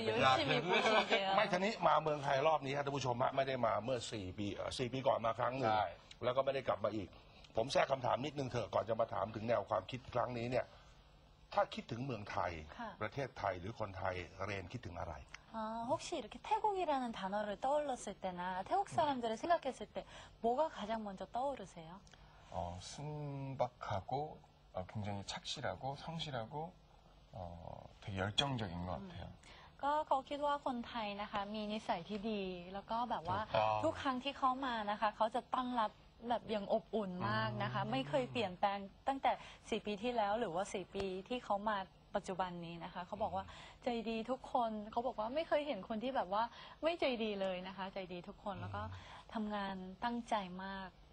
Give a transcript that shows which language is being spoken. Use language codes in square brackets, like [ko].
[th] อยากดู ไม่ทีนี้มาเมืองไทยรอบนี้ท่านผู้ชมไม่ได้มาเมื่อ4 ปีก่อนมาครั้งหนึ ่งแล้วก็ไม่ได้กลับมาอีกผมแทรกคำถามนิดนึงเถอะก่อนจะมาถามถึงแนวความคิดครั้งนี้เนี่ยถ้าคิดถึงเมืองไทยประเทศไทยหรือคนไทยเรนคิดถึงอะไร [ko] 혹시 이렇게 태국이라는 단어를 떠올렸을 때나 태국 사람들을 생각했을 때 뭐가 가장 먼저 떠오르세요? 순박하고 굉장히 착실하고 성실하고 되게 열정적인 것 같아요. [th] ก็เขาคิดว่าคนไทยนะคะมีนิสัยที่ดีแล้วก็แบบว่าทุกครั้งที่เขามานะคะเขาจะต้อนรับแบบอย่างอบอุ่นมากนะคะไม่เคยเปลี่ยนแปลงตั้งแต่4ปีที่แล้วหรือว่า4ปีที่เขามาปัจจุบันนี้นะคะเขาบอกว่าใจดีทุกคนเขาบอกว่าไม่เคยเห็นคนที่แบบว่าไม่ใจดีเลยนะคะใจดีทุกคนแล้วก็ทำงานตั้งใจมาก